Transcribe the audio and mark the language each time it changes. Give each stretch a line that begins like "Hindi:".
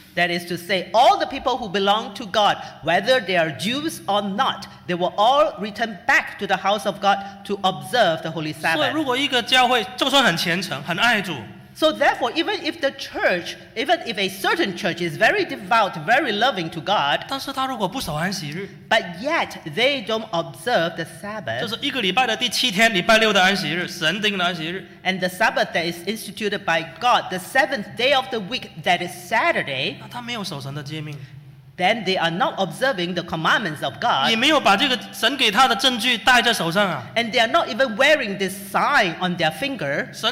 English: That is to say, all the people who belong to God, whether they are Jews or not, they will all return back to the house of God to observe the Holy Sabbath.
Chinese: 所以，如果一个教会就算很虔诚，很爱主。
English: So therefore, even if the church, even if a certain church is very devout, very loving to God,
Chinese: 但是他如果不守安息日,
English: but yet they don't observe the Sabbath,
Chinese: 就是一个礼拜的第七天，礼拜六的安息日，神定的安息日,
English: and the Sabbath that is instituted by God, the seventh day of the week that is Saturday,
Chinese: 那他没有守神的诫命,
English: then they are not observing the commandments of God,
Chinese: 也没有把这个神给他的证据戴在手上啊,
English: and they are not even wearing this sign on their finger.